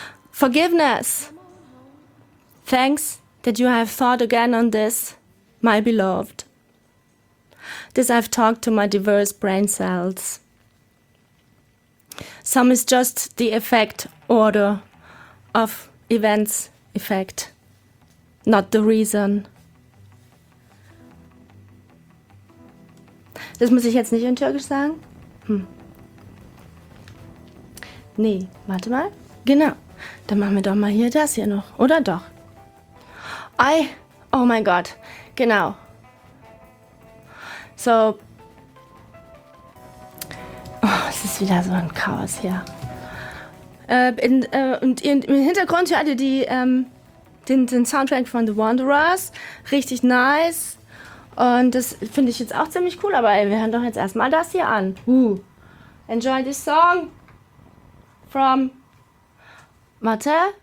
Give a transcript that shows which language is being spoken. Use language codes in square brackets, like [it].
[en] Forgiveness! Thanks that you have thought again on this, my beloved. This I've talked to my diverse brain cells. Some is just the effect order of events effect, not the reason. [de] Das muss ich jetzt nicht in Türkisch sagen. Nee, warte mal. Genau. Dann machen wir doch mal hier das hier noch. Oder doch? I, oh mein Gott. Genau. So. Oh, es ist wieder so ein Chaos hier. Im Hintergrund hört ihr den Soundtrack von The Wanderers. Richtig nice. Und das finde ich jetzt auch ziemlich cool. Aber ey, wir hören doch jetzt erstmal das hier an. [en] Enjoy this song from Mathe.